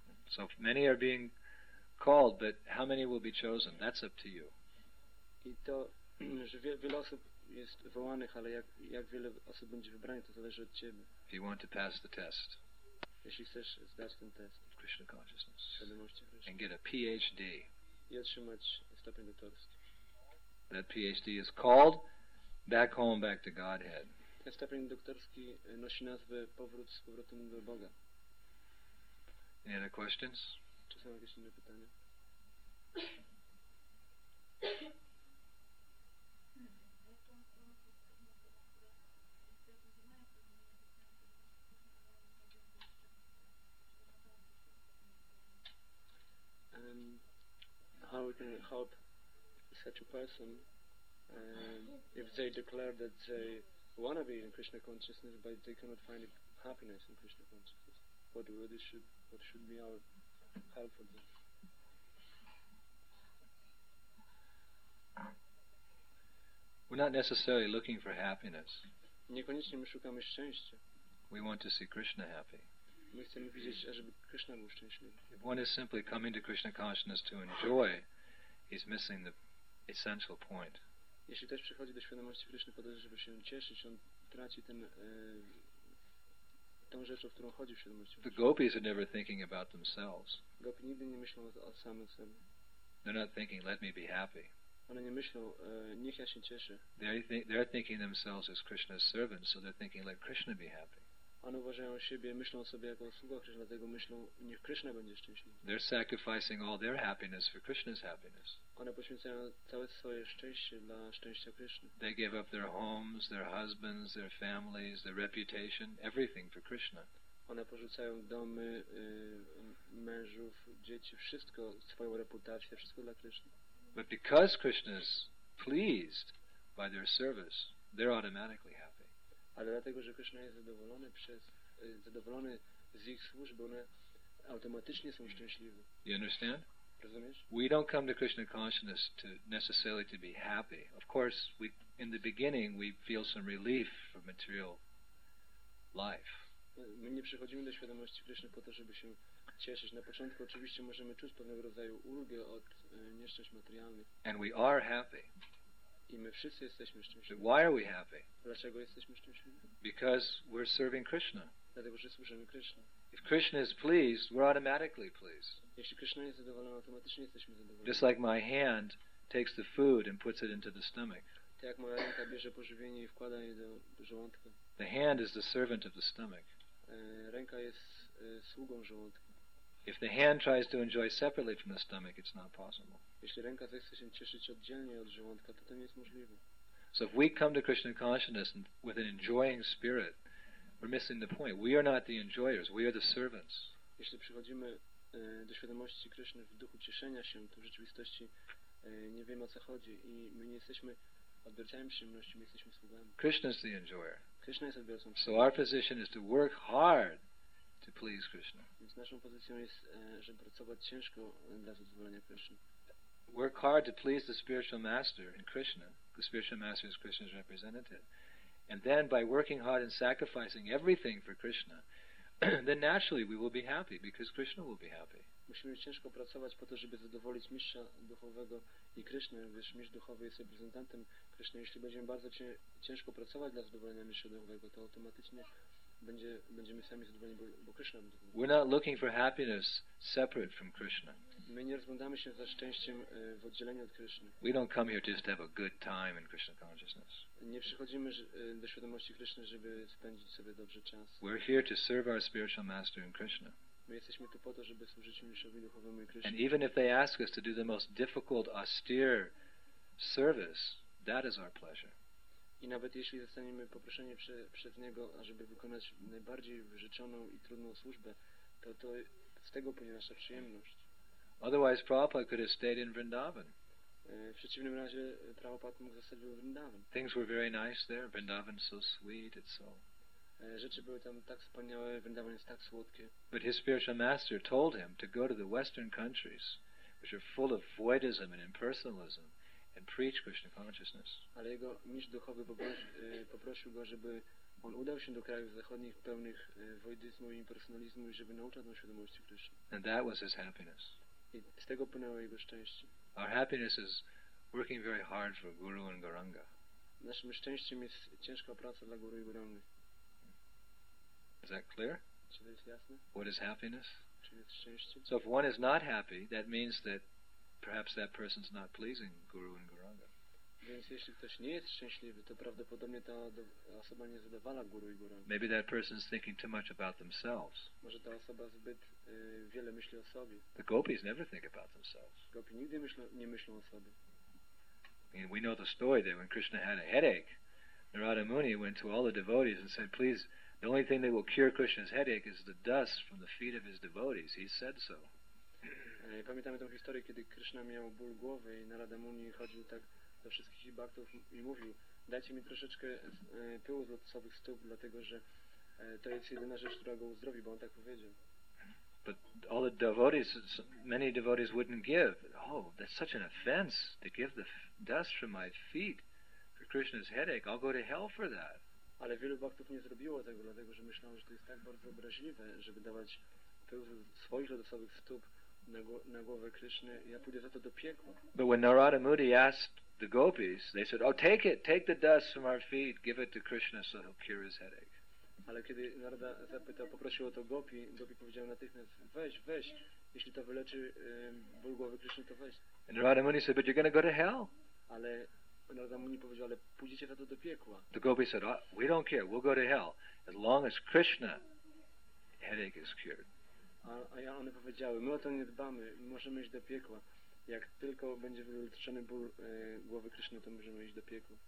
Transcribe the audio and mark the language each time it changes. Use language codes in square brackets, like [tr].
[en] So many are being called, but how many will be chosen? That's up to you. [pl] I to, że wiele osób jest wołanych, ale jak wiele osób będzie wybranych, to zależy od ciebie. [en] If you want to pass the test, [pl] jeśli chcesz zdać ten test [en] of Krishna consciousness, [pl] świadomości Krishna, [en] and get a PhD, [pl] i otrzymać stopień doktorski. [en] That PhD is called back home, back to Godhead. [pl] Ten stopień doktorski nosi nazwę powrót z powrotem do Boga. [en] Any other questions? [pl] Czy są jakieś inne pytania? [en] How we can help such a person if they declare that they want to be in Krishna consciousness but they cannot find happiness in Krishna consciousness? What should be our help for them? We're not necessarily looking for happiness. [pl] Niekoniecznie my szukamy szczęścia. [en] We want to see Krishna happy. [pl] My chcemy widzieć, ażeby Krishna był szczęśliwy. [en] If one is simply coming to Krishna consciousness to enjoy, he's missing the essential point. [pl] Jeśli ktoś przychodzi do świadomości Krishna po to, żeby się cieszyć, on traci ten tą rzecz, o którą chodzi w świadomości. [en] The gopis are never thinking about themselves. [pl] Gopi nigdy nie myślą o samym sobie. [en] They're not thinking, let me be happy. [pl] One nie myślą, niech ja się cieszę. [en] They're thinking themselves as Krishna's servants, so they're thinking, let Krishna be happy. [pl] One uważają siebie, myślą o sobie jako sługa Krishna, dlatego myślą, niech Krishna będzie szczęśliwy. [en] They're sacrificing all their happiness for Krishna's happiness. [pl] One poświęcają całe swoje szczęście dla szczęścia Krishna. [en] They give up their homes, their husbands, their families, their reputation, everything for Krishna. [pl] One porzucają domy, mężów, dzieci, wszystko, swoją reputację, wszystko dla Krishna. [en] But because Krishna is pleased by their service, they're automatically happy. [pl] Ale dlatego, że Krishna jest zadowolony zadowolony z ich służby, one automatycznie są szczęśliwe. [en] You understand? [pl] Rozumiesz? [en] We don't come to Krishna consciousness to necessarily to be happy. Of course, we in the beginning we feel some relief from material life. [pl] My nie przychodzimy do świadomości Krishna po to, żeby się cieszyć. Na początku oczywiście możemy czuć pewnego rodzaju ulgę od nieszczęść materialnych. [en] And we are happy. [pl] I my wszyscy jesteśmy szczęśliwi. [en] Why are we happy? [pl] Dlaczego jesteśmy szczęśliwi? [en] Because we're serving Krishna. [pl] Dlatego, że służymy Krishna. [en] If Krishna is pleased, we're automatically pleased. [pl] Jeśli Krishna jest zadowolony, automatycznie jesteśmy zadowoleni. [en] Just like my hand takes the food and puts it into the stomach. [pl] Tak jak moja ręka bierze pożywienie i wkłada je do żołądka. [en] The hand is the servant of the stomach. [pl] Ręka jest sługą żołądka. [en] If the hand tries to enjoy separately from the stomach, it's not possible. [pl] Jeśli ręka zechce się cieszyć oddzielnie od żołądka, to nie jest możliwe. [en] So if we come to Krishna consciousness with an enjoying spirit, we're missing the point. We are not the enjoyers, we are the servants. [pl] Jeśli przychodzimy do świadomości Krishna w duchu cieszenia się, to w rzeczywistości nie wiemy, o co chodzi i my nie jesteśmy odbierającymi przyjemności, my jesteśmy sługami. [en] Krishna is the enjoyer. [pl] Krishna jest odbiorcą. [en] So our position is to work hard to please Krishna. [pl] Więc naszą pozycją jest, żeby pracować ciężko dla zadowolenia Krishna. [en] Work hard to please the spiritual master in Krishna. The spiritual master is Krishna's representative. And then by working hard and sacrificing everything for Krishna, then naturally we will be happy because Krishna will be happy. [pl] Musimy ciężko pracować po to, żeby zadowolić mistrza duchowego i Krishna, gdyż mistrz duchowy jest reprezentantem Krishna. Jeśli będziemy bardzo ciężko pracować dla zadowolenia mistrza duchowego, to automatycznie będziemy sami zadowoleni, bo Krishna będzie zadowolony. [en] We're not looking for happiness separate from Krishna. [pl] My nie rozglądamy się za szczęściem w oddzieleniu od Krishna. [en] We don't come here just to have a good time in Krishna consciousness. [pl] Nie przychodzimy do świadomości Krishna, żeby spędzić sobie dobrze czas. [en] We're here to serve our spiritual master in Krishna. [pl] My jesteśmy tu po to, żeby służyć mistrzowi duchowemu i Krishna. [en] And even if they ask us to do the most difficult, austere service, that is our pleasure. [pl] I nawet jeśli zostaniemy poproszeni przez Niego, ażeby wykonać najbardziej wyrzeczoną i trudną służbę, to z tego płynie nasza przyjemność. [en] Otherwise Prabhupada could have stayed in Vrindavan. [pl] W przeciwnym razie Prabhupada mógł zostać w Vrindavan. [en] Things were very nice there. Vrindavan so sweet, it's so... [pl] Rzeczy były tam tak wspaniałe, Vrindavan jest tak słodkie. [en] But his spiritual master told him to go to the western countries, which are full of voidism and impersonalism, and preach Krishna consciousness. [pl] Ale jego mistrz duchowy poprosił go, żeby on udał się do krajów zachodnich pełnych voidyzmu i impersonalizmu i żeby nauczał tą świadomości Krishna. [en] And that was his happiness. [pl] I z tego płynęło jego szczęście. [en] Our happiness is working very hard for Guru and Gauranga. [pl] Naszym szczęściem jest ciężka praca dla Guru i Gauranga. [en] Is that clear? [pl] Czy to jest jasne? [en] What is happiness? [pl] Czy jest szczęście? [en] So if one is not happy, that means that perhaps that person's not pleasing Guru and Gauranga. [pl] Więc jeśli ktoś nie jest szczęśliwy, to prawdopodobnie ta osoba nie zadowala Guru i Gauranga. [en] Maybe that person's thinking too much about themselves. [pl] Może ta osoba zbyt wiele myśli o sobie. [en] The gopis never think about themselves. [pl] Gopi nigdy nie myślą o sobie. [en] I mean, we know the story that when Krishna had a headache, Narada Muni went to all the devotees and said, "Please, the only thing that will cure Krishna's headache is the dust from the feet of his devotees. He said so." [pl] Pamiętamy tę historię, kiedy Krishna miał ból głowy i Narada Muni chodził tak do wszystkich bhaktów i mówił: "Dajcie mi troszeczkę pyłu z lotosowych stóp, dlatego że to jest jedyna rzecz, która go uzdrowi", bo on tak powiedział. [en] But all the devotees, many devotees wouldn't give. "Oh, that's such an offense to give the dust from my feet for Krishna's headache. I'll go to hell for that." [pl] Ale wielu bhaktów nie zrobiło tego, dlatego że myślało, że to jest tak bardzo obraźliwe, żeby dawać pył ze swoich lotosowych stóp na głowę Krishny, ja pójdę za to do piekła. [en] But when Narada Muni asked the gopis, they said, "Oh, take it, take the dust from our feet, give it to Krishna so he'll cure his headache." [pl] Ale kiedy Narada zapytał, poprosił o to gopi, gopi powiedział natychmiast: weź, jeśli to wyleczy ból głowy Krishny, to weź. [en] And Narada Muni said, "But you're going to go to hell." [pl] Ale Narada Muni powiedział: ale pójdziecie za to do piekła. [en] The gopi said, "Oh, we don't care, we'll go to hell, as long as Krishna headache is cured." [pl] A one powiedziały: my o to nie dbamy, możemy iść do piekła. Jak tylko będzie wyleczony ból głowy Krishna, to możemy iść do piekła.